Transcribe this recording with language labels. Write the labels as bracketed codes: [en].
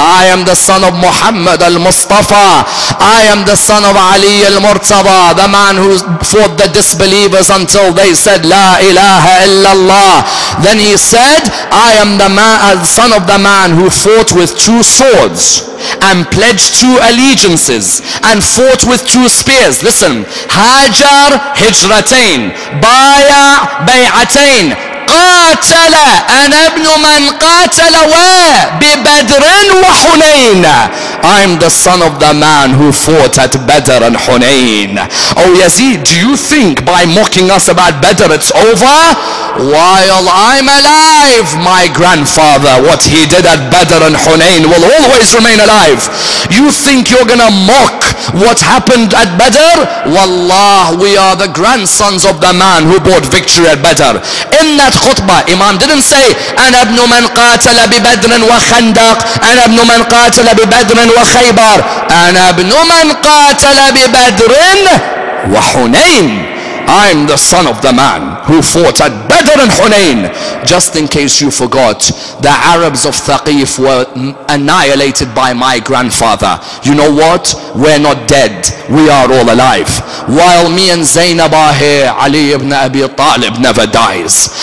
[en] I am the son of Muhammad al-Mustafa. I am the son of Ali al-Murtada, the man who fought the disbelievers until they said La ilaha illallah. Then he said, I am the man, son of the man who fought with 2 swords and pledged 2 allegiances and fought with 2 spears. [ar] Listen, Hajar hijratain, Baya bay'atain, قاتل أنا ابن من قاتل ببدر وحنين. [en] I'm the son of the man who fought at Badr and Hunayn. Oh Yazid, do you think by mocking us about Badr it's over? While I'm alive, my grandfather, what he did at Badr and Hunayn will always remain alive. You think you're gonna mock what happened at Badr? Wallah, we are the grandsons of the man who bought victory at Badr. In that khutbah, Imam didn't say, [ar] أنا ابن من قاتل ببدر وخندق. أنا ابن من قاتل ببدر وخيبر. أنا ابن من قاتل ببدر وحنين. [en] I'm the son of the man who fought at Badr and Hunayn. Just in case you forgot, the Arabs of Thaqif were annihilated by my grandfather. You know what? We're not dead. We are all alive. While me and Zainab are here, Ali ibn Abi Talib never dies.